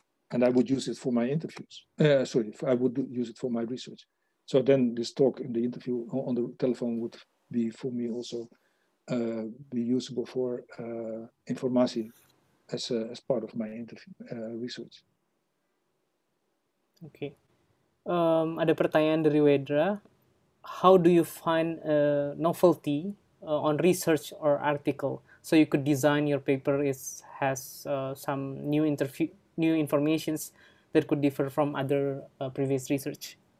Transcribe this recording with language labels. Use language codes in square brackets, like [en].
[en] And I would use it for my interviews. Use it for my research. So then this talk in the interview on the telephone would be for me also be usable for information as part of my interview research. [id] Okay, ada pertanyaan dari Wedra. [en] How do you find a novelty on research or article? So you could design your paper has some new informations that could differ from other previous research.